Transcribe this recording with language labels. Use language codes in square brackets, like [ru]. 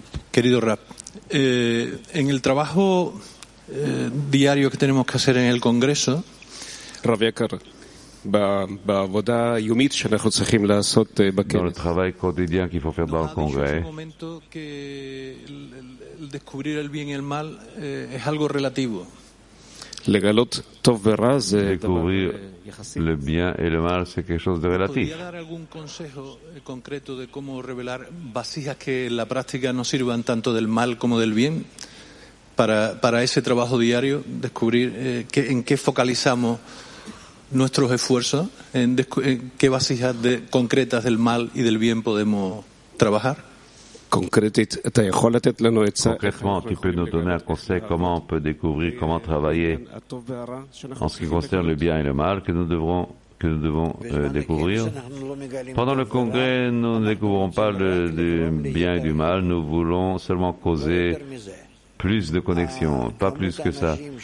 [es] Querido Rav, en el trabajo diario que tenemos que hacer en el Congreso, [he] Rav Yekar, בעבודה יומית שאנחנו צריכים לעשות בכנס. [fr] Dans le travail quotidien qu'il faut faire dans le congrès. [es] Un momento que descubrir el bien y el mal es algo relativo. [he] לגלות טוב ורע זה [fr] découvrir le bien et le mal, c'est quelque chose de relatif. [es] ¿Podría dar algún consejo concreto de cómo revelar vasijas que en la práctica no sirvan tanto del mal como del bien para ese trabajo diario, descubrir en qué focalizamos nuestros esfuerzos, en qué vasijas concretas del mal y del bien podemos trabajar? [fr] Concrètement, tu peux nous donner un conseil comment on peut découvrir, comment travailler en ce qui concerne le bien et le mal que nous devons découvrir. Pendant le congrès, nous ne découvrons pas le bien et du mal, nous voulons seulement causer plus de connexions, pas plus que ça.